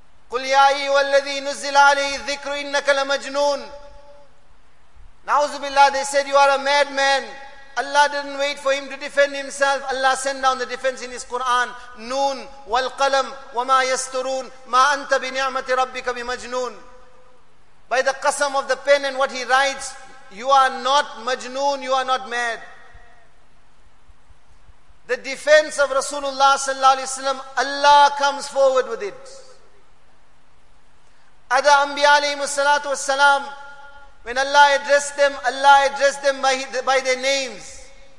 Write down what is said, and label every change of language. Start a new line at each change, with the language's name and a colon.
Arabic: قُلْ يَا أَيُّهَا الَّذِي نُزِّلَ عَلَيْهِ الذِّكْرُ إِنَّكَ لَمَجْنُونَ. نَعُوذُ بِاللَّهِ.
English: They said, you are a madman. Allah didn't wait for him to defend himself. Allah sent down the defense in his Quran.
Arabic: Noon وَالْقَلَمْ وَمَا يَسْتُرُونَ مَا أَنْتَ بِنِعْمَةِ رَبِّكَ بِمَجْنُونَ.
English: By the qasam of the pen and what he writes, you are not majnoon, you are not mad. The defense of Rasulullah sallallahu alayhi wa sallam, Allah comes forward with it. Other Anbiya alayhi salatu was salam, when Allah addressed them by their names.